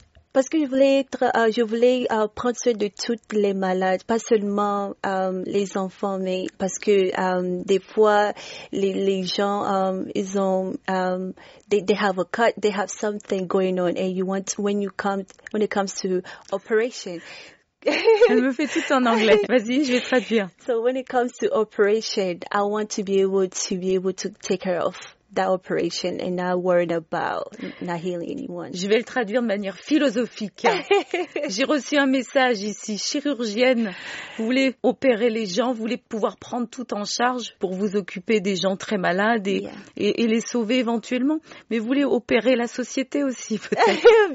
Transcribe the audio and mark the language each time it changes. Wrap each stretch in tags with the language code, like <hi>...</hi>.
<fr>Parce que je voulais prendre soin de toutes les malades, pas seulement les enfants, mais parce que des fois les gens ils ont</fr> <en>they have a cut, they have something going on, and you want when it comes to operation.</en> <fr>Elle me fait tout en anglais. Vas-y, je vais traduire.</fr> <en>So when it comes to operation, I want to be able to take care of that operation and not worried about not healing anyone.</en> <fr>Je vais le traduire de manière philosophique. J'ai reçu un message ici. Chirurgienne, vous voulez opérer les gens, vous voulez pouvoir prendre tout en charge pour vous occuper des gens très malades et les sauver éventuellement. Mais vous voulez opérer la société aussi, peut-être.</fr>